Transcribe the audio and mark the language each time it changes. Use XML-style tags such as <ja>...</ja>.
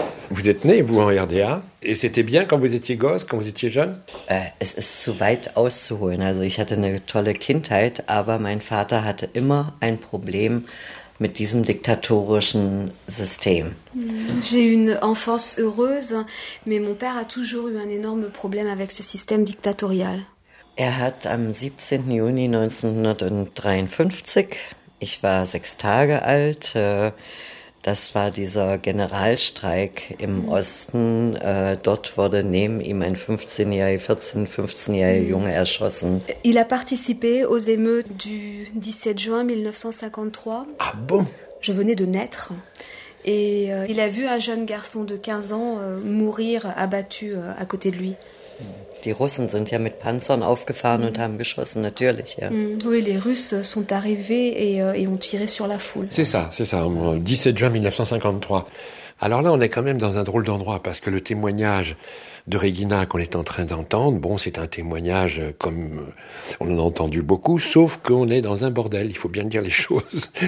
<fr>Vous êtes né, vous, en RDA, et c'était bien quand vous étiez gosse, quand vous étiez jeune?</fr> <de>Es ist zu weit auszuholen. Also ich hatte eine tolle Kindheit, aber mein Vater hatte immer ein Problem mit diesem diktatorischen System.</de> <fr>J'ai eu une enfance heureuse, mais mon père a toujours eu un énorme problème avec ce système dictatorial.</fr> <de>Er hat am 17. Juni 1953, ich war 6 Tage alt, das war dieser Generalstreik im Osten. Dort wurde neben ihm ein 14-15-jähriger Junge erschossen.</de> <fr>Il a participé aux émeutes du 17 juin 1953. Ah bon? Je venais de naître. Et il a vu un jeune garçon de 15 ans mourir abattu à côté de lui.</fr> <de>Die Russen sind ja mit Panzern aufgefahren und haben geschossen, natürlich. Ja.</de> <fr>Oui, les Russes sont arrivés et ont tiré sur la foule. C'est ça, 17 juin 1953. Alors là, on est quand même dans un drôle d'endroit, parce que le témoignage de Regina qu'on est en train d'entendre, bon, c'est un témoignage comme on en a entendu beaucoup, sauf qu'on est dans un bordel, il faut bien dire les choses.</fr>